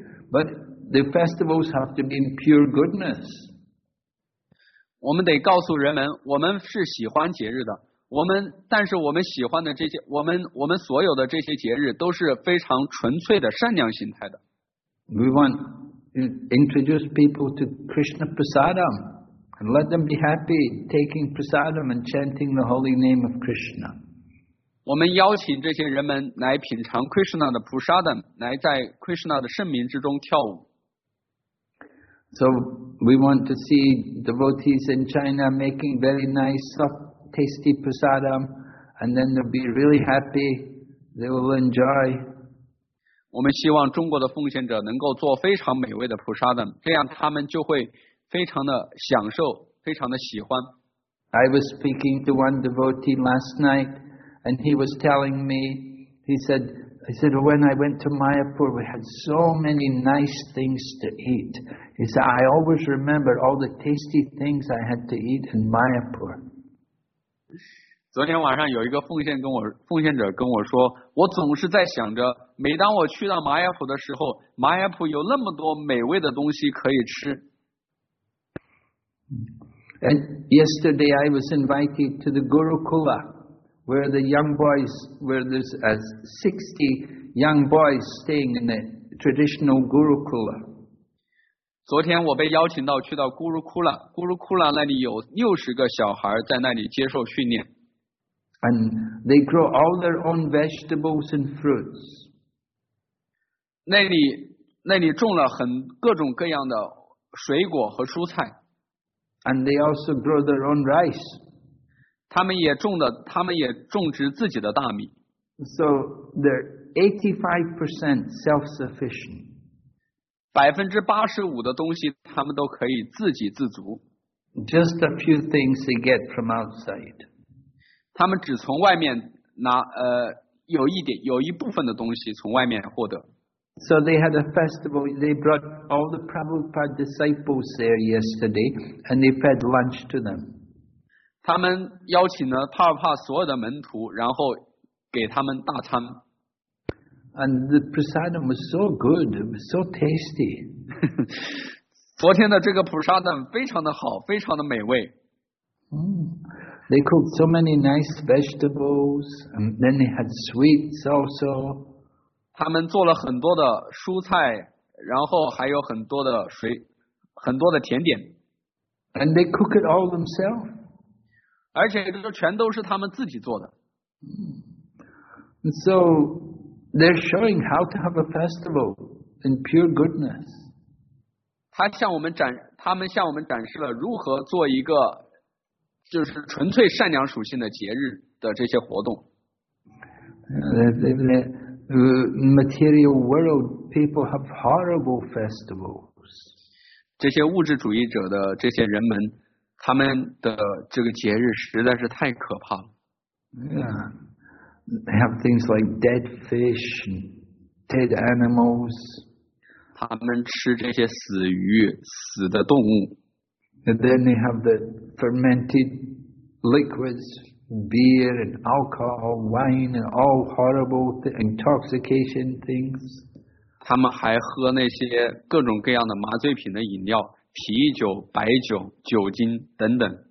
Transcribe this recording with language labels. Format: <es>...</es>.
<en>But the festivals have to be in pure goodness.</en> <zh>我们得告诉人们，我们是喜欢节日的。我们但是我们喜欢的这些我们所有的这些节日都是非常纯粹的善良心态的。</zh> <en>We want to introduce people to Krishna Prasadam and let them be happy taking Prasadam and chanting the holy name of Krishna.</en> <zh>我们邀请这些人们来品尝 Krishna 的 Prasadam, 来在 Krishna 的圣名之中跳舞。</zh> <en>So we want to see devotees in China making very nice stufftasty prasadam, and then they'll be really happy. They will enjoy.</en> <zh>我们希望中国的奉献者能够做非常美味的 prasadam, 这样他们就会非常的享受，非常的喜欢。</zh> <en>I was speaking to one devotee last night, and he was telling me. He said, when I went to Mayapur, we had so many nice things to eat. He said, I always remember all the tasty things I had to eat in Mayapur.</en> <zh>昨天晚上有一个奉献者跟我说，我总是在想着，每当我去到玛雅普的时候，玛雅普有那么多美味的东西可以吃。</zh> <en>And yesterday I was invited to the Gurukula, where the young boys, where there's 60 young boys staying in the traditional Gurukula.</en> <zh>昨天我被邀请到去到 Gurukula, Gurukula 那里有60个小孩在那里接受训练。</zh> <en>And they grow all their own vegetables and fruits.</en> <zh>那里种了很各种各样的水果和蔬菜。</zh> <en>And they also grow their own rice.</en> <zh>他们也种植自己的大米。</zh> <en>So they're 85% self-sufficient.</en> <zh>85% 的东西他们都可以自给自足。</zh> <en>Just a few things they get from outside.</en> <zh>他们只从外面拿有一点有一部分的东西从外面获得。</zh> <en>So they had a festival, they brought all the Prabhupada disciples there yesterday, and they fed lunch to them.</en> <zh>他们邀请了帕尔帕所有的门徒，然后给他们大餐。</zh> <en>And the prasadam was so good, it was so tasty.</en> <zh>昨天的这个普沙丹非常的好，非常的美味。</zh> <en>They cooked so many nice vegetables, and then they had sweets also.</en> <zh>他们做了很多的蔬菜，然后还有很多的水，很多的甜点。</zh> <en>And they cook it all themselves.</en> <zh>而且这全都是他们自己做的。</zh> <en>And so they're showing how to have a festival in pure goodness.</en> <zh>他们向我们展示了如何做一个就是纯粹善良属性的节日的这些活动。</zh> <en>Material world people have horrible festivals.</en> <zh>这些物质主义者的这些人们，他们的这个节日实在是太可怕了。</zh> <en>Yeah, they have things like dead fish, dead animals.</en> <zh>他们吃这些死鱼死的动物。</zh> <en>And then they have the fermented liquids, beer and alcohol, wine and all horrible intoxication things.</en> <zh>他们还喝那些各种各样的麻醉品的饮料，啤酒、白酒、酒精等等。</zh>